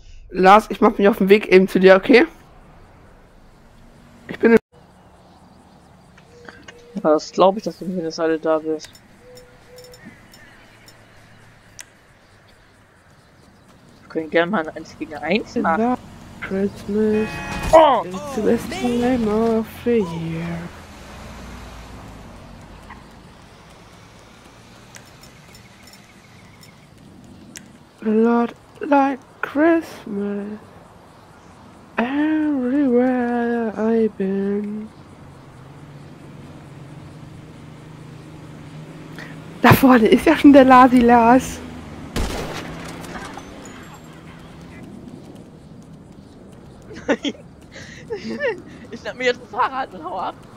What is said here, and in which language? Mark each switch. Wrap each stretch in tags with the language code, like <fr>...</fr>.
<de>Lars, ich mach mich auf den Weg eben zu dir, okay? Ich bin im... Das glaube ich, dass du zumindest alle da bist. Wir können gerne mal ein 1 gegen 1 machen. Ja.</de> <en>Christmas. It's the best time of the year. A lot like Christmas everywhere I've been.</en> <de>Da vorne ist ja schon der Lasi Lars. Ich nehme mir jetzt ein Fahrrad und hau ab.</de>